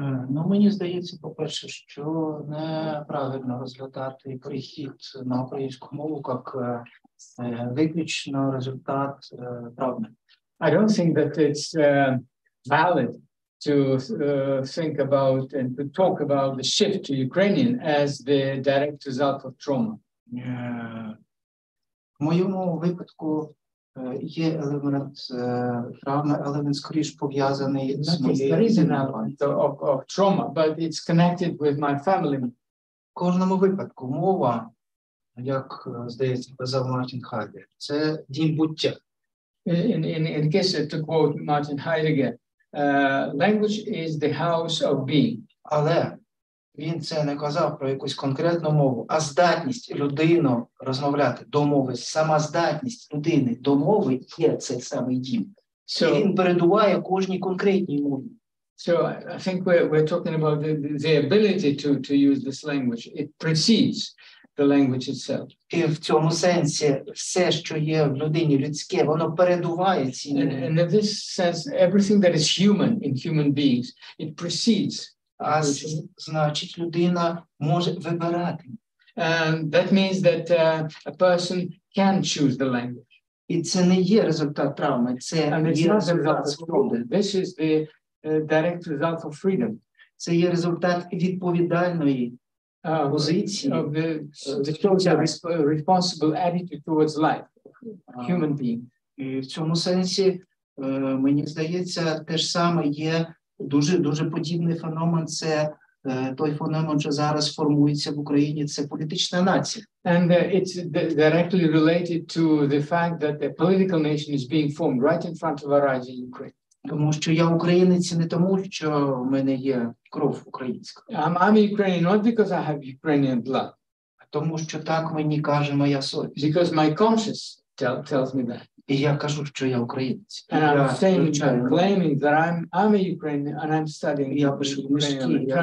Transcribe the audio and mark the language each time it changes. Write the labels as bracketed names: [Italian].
[Ukrainian] Ну, мені здається, по-перше, що неправильно розглядати прихід на українську мову як виключно результат травми. [English] I don't think that it's valid to think about and to talk about the shift to Ukrainian as the direct result of trauma. [Ukrainian] В моєму випадку є елемент травми, але він скоріш пов'язаний з моєю [English] trauma, but it's connected with my family. [Ukrainian] В кожному випадку мова, як здається, казав Мартін Хайдегер, це дім буття. [English] In case to quote Martin Heidegger, language is the house of being. [Ukrainian] Але він це не казав про якусь конкретну мову, а здатність людину розмовляти до мови, сама здатність людини до мови є цей самий дім. [English] So, [Ukrainian] і він передуває кожній конкретній мові. [English] So I think we're talking about the ability to use this language. It precedes the language itself. [Ukrainian] І в цьому сенсі все, що є в людині людське, воно передуває цій мові. [English] And in this sense, everything that is human in human beings, it precedes. [Ukrainian] А значить, людина може вибирати. [English] That means that a person can choose the language. [Ukrainian] І це не є результат травми, це є результат свободи. [English] This is the direct result of freedom. [Ukrainian] Це є результат відповідальної позиції. [English] Of the responsible attitude towards life, human being. [Ukrainian] І в цьому сенсі, мені здається, те ж саме є. Дуже-дуже подібний феномен – це той феномен, що зараз формується в Україні – це політична нація. [English] And it's directly related to the fact that the political nation is being formed right in front of our eyes in Ukraine. [Ukrainian] Тому що я українець не тому, що в мене є кров українська. [English] I'm Ukrainian not because I have Ukrainian blood. [Ukrainian] А тому що так мені каже моя совість. [English] Because my conscience tells me that. [Ukrainian] І я кажу, що я українець. [English] And I'm saying, claiming that I'm a Ukrainian and I'm studying Ukrainian.